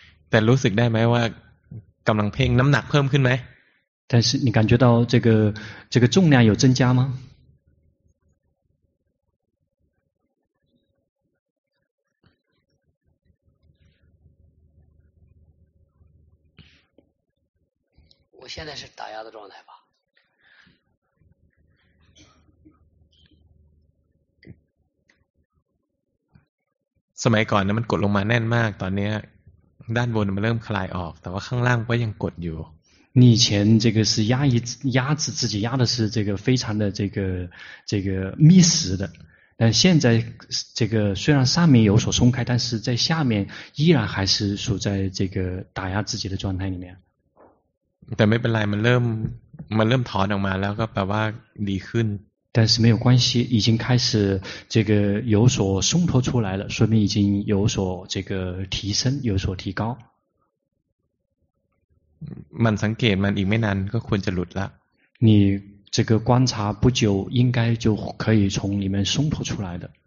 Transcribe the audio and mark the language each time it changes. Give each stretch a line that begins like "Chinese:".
Thai: แต่รู้สึกได้ไหมว่ากำลังเพ่งน้ำหนักเพิ่มขึ้นไหม
Chinese: 但是你感觉到这个重量有增加吗我现在是打压的状态吧
Thai: สมัยก่อนนะมันกดลงมาแน่นมากตอนนี้ด้านบนมันเริ่มคลายออกแต่ว่าข้างล่างก็ยังกดอยู่
Chinese: 你以前这个是压制自己压的是这个非常的这个密实的但现在这个虽然上面有所松开但是在下面依然还是处在这个打压自己的状态里面
Thai: แต่ไม่เป็นไรมันเริ่มถอนออกมาแล้วก็แปลว่าดีขึ้น
Chinese: 但是没有关系已经开始这个有所松脱出来了说明已经有所这个提升有所提高
Thai: มันสังเกตมันอีกไม่นานก็ควรจะหลุดละ
Chinese: 你这个观察不久应该就可以从里面松脱出来的